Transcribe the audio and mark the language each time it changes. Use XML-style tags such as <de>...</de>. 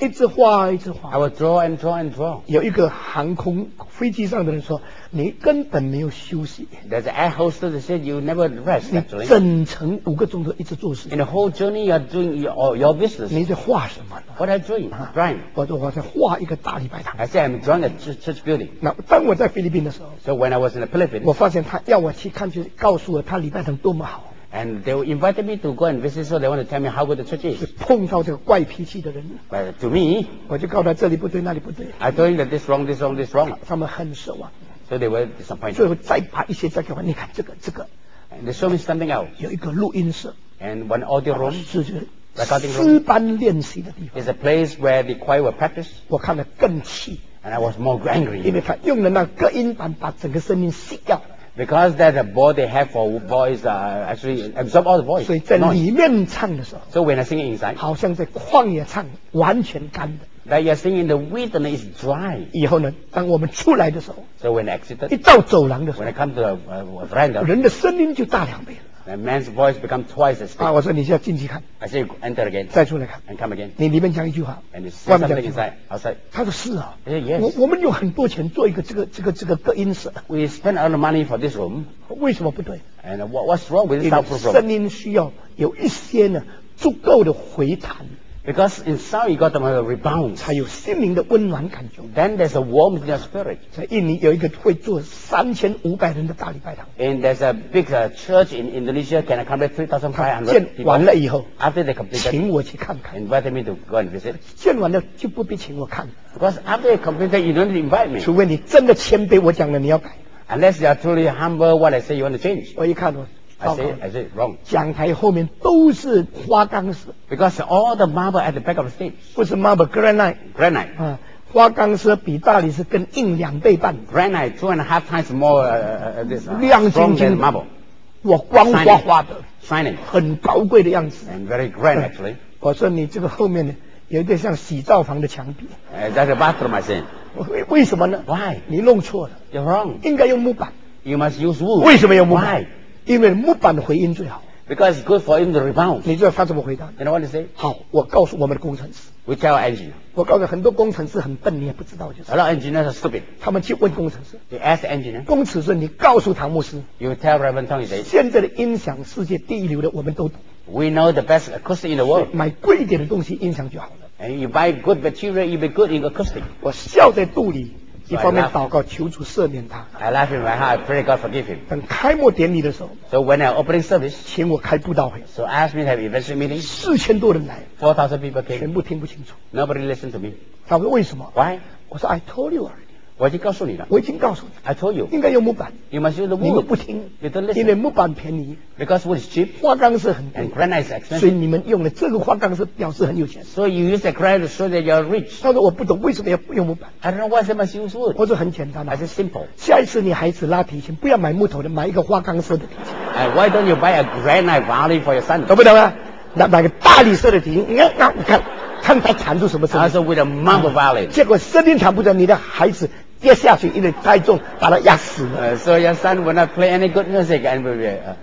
<zh>一直画，一直画。</zh> <en>I will draw and draw and draw.</en> <zh>有一个航空飞机上的人说，你根本没有休息。</zh> <en>There's an air hostess that said you never rest.</en> <zh>你整程5个钟头一直做事。</zh> <en>And the whole journey you're doing your business.</en> <zh>你在画什么？</zh> <en>What I dream, drawing.</en> <zh>我说我在画一个大礼拜堂。</zh> <en>I said I'm drawing a church building.</en> <zh>那当我在菲律宾的时候。</zh> <en>So when I was in the Philippines.</en> <zh>我发现他要我去看，就是告诉我他礼拜堂多么好。</zh> <en>And they invited me to go and visit, so they want to tell me how good the church is.</en> <zh>是碰到这个怪脾气的人。</zh> <en>But to me.</en> <zh>我就告诉他这里不对，那里不对。</zh> <en>I told him that this wrong, this wrong, this wrong.</en> <zh>他们很失望。</zh> <en>So they were disappointed.</en> <zh>最后再把一些再给我，你看这个。</zh> <en>And they showed me something else.</en> <zh>有一个录音室。</zh> <en>And one audio room.</en> <zh>是。诗班练习的地方。</zh> <en>It's a place where the choir will practice.</en> <zh>我看得更气。</zh> <en>And I was more angry.</en> <zh>因为他用了那隔音板把整个声音吸掉。</zh> <en>Because that the board they have for voice actually absorb all the voice.</en> <zh>所以在里面唱的时候。</zh> <en>So when I sing inside.</en> <zh>好像在旷野唱，完全干的。</zh> <en>That you're singing in the wilderness is dry.</en> <zh>以后呢，当我们出来的时候。</zh> <en>So when I exited.</en> <zh>一到走廊的时候。</zh> <en>When I come to the veranda.</en> <zh>人的声音就大两倍了。</zh> <en>A man's voice become twice as big.</en> <zh>啊，我说你要进去看。</zh> <en>I say you enter again.</en> <zh>再出来看。</zh> <en>And come again.</en> <zh>你里面讲一句话。</zh> <en>And you say something inside. Outside.</en> <zh>他说是啊。</zh> <en>Yes.</en> <zh>我们有很多钱做一个这个隔音室。</zh> <en>We spend a lot of money for this room.</en> <zh>为什么不对</zh> <en>？And what's wrong with this soundproof room?</en> <zh>声音需要有一些呢足够的回弹。</zh> <en>Because in sound you got the rebound.</en> <zh>才有心灵的温暖感觉。</zh> <en>Then there's a warmth in your spirit.</en> <zh>在印尼有一个会做3500人的大礼拜堂。</zh> <en>And there's a big church in Indonesia can accommodate 3,500</en> <zh>people. 建完了以后。</zh> <en>After they completed.</en> <zh>请我去看看。</zh> <en>Invited me to go and visit.</en> <zh>建完了就不必请我看。</zh> <en>Because after they completed, you don't invite me.</en> <zh>除非你真的谦卑，我讲了你要改。</zh> <en>Unless you are truly humble, what I say you want to change.</en> <zh>我一看我。</zh> <en>I say wrong.</en> <zh>讲台后面都是花岗石。</zh> <en>Because all the marble at the back of the stage.</en> <zh>不是</zh> <en>marble, granite. Granite.</en> <zh>啊，花岗石比大理石更硬2倍半。</zh> <en>Granite 2.5 times more this.</en> <zh>亮晶晶。</zh> <en>Marble.</en> <zh>我光滑滑的</zh> <en>shining,</en> <zh>很高贵的样子</zh> <en>and very grand actually.</en> <zh>我说你这个后面呢有点像洗澡房的墙壁</zh> <en>That's a bathroom I said.</en> <zh>为什么呢</zh> <en>Why?</en> <zh>你弄错了</zh> <en>You're wrong.</en> <zh>应该用木板</zh> <en>You must use wood.</en> <zh>为什么用木板</zh> <en>Why?</en> <zh>因为木板的回音最好</zh> <en>Because it's good for him to rebound.</en> <zh>你知道他怎么回答？</zh> <en>You know what they say?</en> <zh>好，我告诉我们的工程师。</zh> <en>We tell our engineer.</en> <zh>我告诉很多工程师很笨，你也不知道就是。</zh> <en>A lot of engineers are stupid.</en> <zh>他们去问工程师。</zh> <en>They ask the engineer.</en> <zh>工程师，你告诉唐牧师。</zh> <en>You tell Reverend Tong is it?</en> <zh>现在的音响世界第一流的我们都懂。</zh> <en>We know the best acoustic in the world.</en> <zh>买贵一点的东西，音响就好了。</zh> <en>And you buy good material, you'll be good in acoustic.</en> <zh>我笑在肚里。一方面祷告求主赦免他</zh> <en>I love him right now I pray God forgive him</en> <zh>等开幕典礼的时候</zh> <en>So when I opening service</en> <zh>请我开布道会</zh> <en>So ask me to have event meeting</en> <zh>4000多人来</zh> <en>4000 people came</en> <zh>全部听不清楚</zh> <en>Nobody listened to me</en> <zh>他说为什么</zh> <en>Why</en> <zh>我说</zh> <en>I told you already</en> <zh>我已经告诉你了我已经告诉你</zh> <en>I told you</en> <zh>应该用木板</zh> <en>You must use the wood</en> <zh>你们不听</zh> <en>You don't listen</en> <zh>因为木板便宜</zh> <en>Because wood is cheap</en> <zh>花岗是很</zh> <en>And granite is expensive</en> <zh>所以你们用了这个花岗是表示很有钱</zh> <en>So you use the granite so that you're rich</en> <zh>他说我不懂为什么要用木板</zh> <en>I don't know why they must use wood</en> <zh>我说很简单</zh> <en>I said simple</en> <zh>下一次你孩子拉提琴不要买木头的买一个花岗色的提琴</zh> <en>And why don't you buy a granite violin for your son</en> <zh>懂不懂啊那买个大理色的提琴你看看他弹出什么声音？他说</zh> <en>with a mumble violin。</en> <zh>结果声音弹不出来，你的孩子跌下去，因为太重，把他压死了。</zh> <en>So your son will not play any good music, and will be</en>